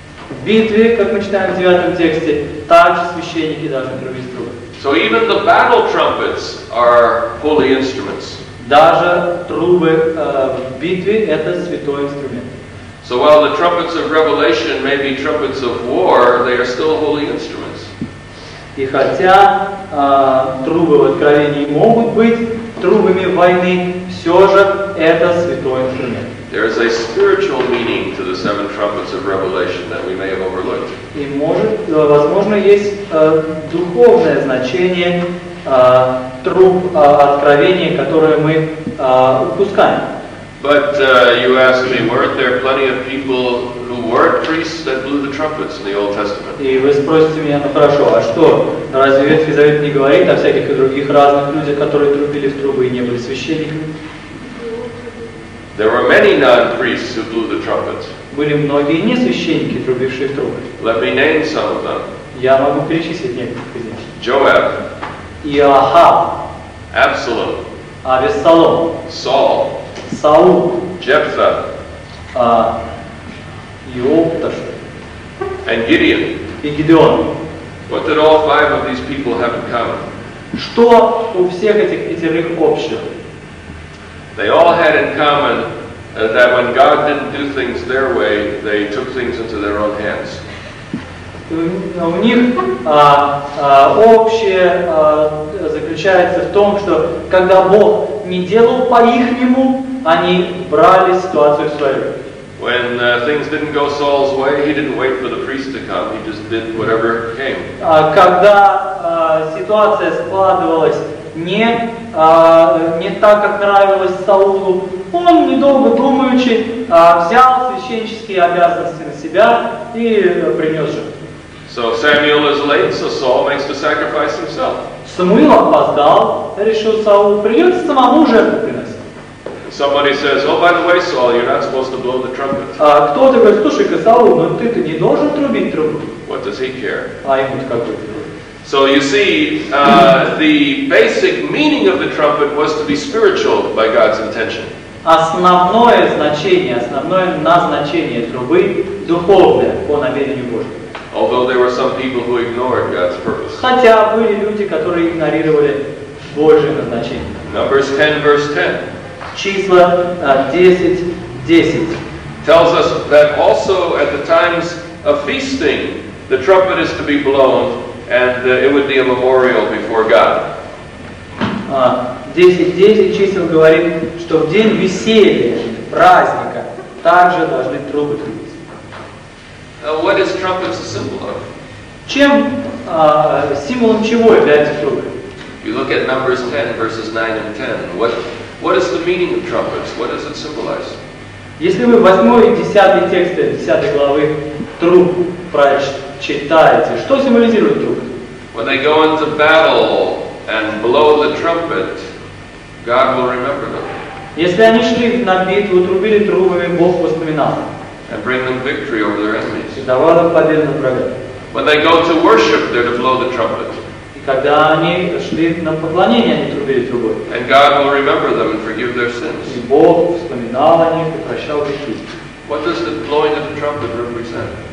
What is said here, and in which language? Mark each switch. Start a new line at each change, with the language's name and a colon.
Russian: В битве, как мы читаем в 9 тексте, также священники должны трубить трубы.
English: So even the battle trumpets are holy instruments.
Russian: Даже трубы в битве это святой инструмент.
English: So while the trumpets of Revelation may be trumpets of war, they are still holy instruments.
Russian: И хотя трубы в Откровении могут быть трубами войны, все же это святой инструмент.
English: There is a spiritual meaning to the seven trumpets of Revelation that we may have overlooked.
Russian: И может, возможно, есть духовное значение труб откровения, которое мы упускаем.
English: But you ask me, weren't there plenty of people who weren't priests that blew the trumpets in the Old Testament?
Russian: И вы спросите меня, ну хорошо, а что? Разве Ветхий Завет не говорит о всяких других разных людях, которые трубили в трубы и не были священниками?
English: There were many non-priests who blew the trumpets.
Russian: Были многие несвященники, трубившие трубы.
English: Let me name some of them.
Russian: Я могу перечислить некоторых из них.
English: Joab.
Russian: Иоахаб.
English: Absalom.
Russian: Авессалом.
English: Saul.
Russian: Саул.
English: Jephthah.
Russian: Иопташ.
English: And Gideon.
Russian: И Гидеон.
English: What did all five of these people have in common?
Russian: Что у всех этих пятерых общего?
English: They all had in common that when God didn't do things their way, they took things into their own hands.
Russian: У них общее заключается в том, что когда Бог не делал по-ихнему, они брали ситуацию в свои руки.
English: When things didn't go Saul's way, he didn't wait for the priest to come. He just did whatever came.
Russian: Когда ситуация складывалась не так, как нравилось Саулу, он, недолго думаючи, взял священнические обязанности на себя и принес жертву.
English: So Samuel is late, so Saul makes the sacrifice himself.
Russian: Самуил опоздал, решил Саулу, придется самому жертву приносить.
English: Somebody says, oh, by the way, Saul, you're not supposed to blow the trumpet.
Russian: Кто-то говорит, слушай-ка, Саул, но ты-то не должен трубить трубу.
English: What does he care?
Russian: А ему-то как будет.
English: So you see, the basic meaning of the trumpet was to be spiritual by God's intention.
Russian: Основное значение, основное назначение трубы духовное по намерению Божьему.
English: Although there were some people who ignored God's purpose.
Russian: Хотя были люди, которые игнорировали Божье назначение.
English: Numbers 10, verse 10.
Russian: Числа 10:10.
English: Tells us that also at the times of feasting, the trumpet is to be blown. And it would be a memorial before God.
Russian: 10:10 чисел говорит, что в день веселья, праздника, также должны трубы трубить.
English: What is trumpets a symbol of?
Russian: Чем, символом чего являются трубы?
English: You look at Numbers 10, verses 9 and 10. What is the meaning of trumpets? What does it symbolize?
Russian: Если вы 8 и 10 тексты, 10 главы труб прочитаете, читаете. Что символизирует трубы?
English: When they go into battle and blow the trumpet, God will remember them.
Russian: Если они шли на битву, трубили трубами, Бог воспоминал.
English: And bring them victory over their enemies.
Russian: И давал им победу над врагами.
English: When they go to worship, they're to blow the trumpet.
Russian: И когда они шли на поклонение, они трубили трубой.
English: And God will remember them and forgive their sins.
Russian: И Бог вспоминал о них и прощал их грехи.
English: What does the blowing of the trumpet represent?